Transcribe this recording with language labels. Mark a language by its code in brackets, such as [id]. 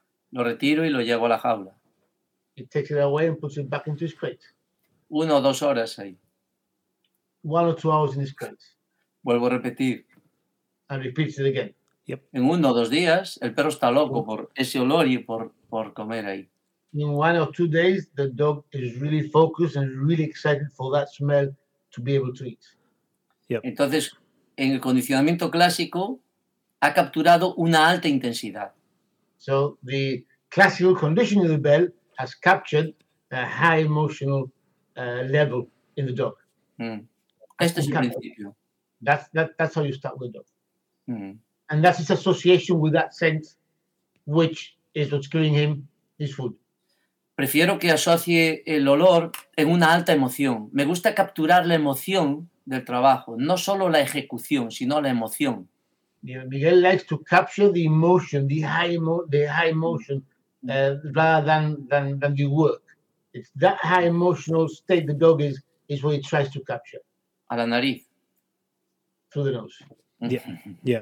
[es] Lo retiro y lo llevo a la jaula. [en] He takes it away and puts it back into his crate. [es] 1 o 2 horas ahí. [en] 1 or 2 hours in his crate. [es] Vuelvo a repetir. [en] And repeats it again. Yep. [es] En 1 o 2 días el perro está loco por ese olor y por comer ahí. [en] In 1 or 2 days, the dog is really focused and really excited for that smell to be able to eat. Yep. [es] Entonces, en el condicionamiento clásico, ha capturado una alta intensidad. [en] So the classical conditioning of the bell has captured a high emotional level in the dog. [es] Mm. Este es el principio. [en] That's how you start with the dog. Mm. And that's his association with that scent, which is what's giving him his food. [es] Prefiero que asocie el olor en una alta emoción. Me gusta capturar la emoción del trabajo, no solo la ejecución, sino la emoción. [en] Yeah, Miguel likes to capture the emotion, the high emotion, rather than the work. It's that high emotional state the dog is what he tries to capture. [es] A la nariz. [en] Through the nose. Yeah.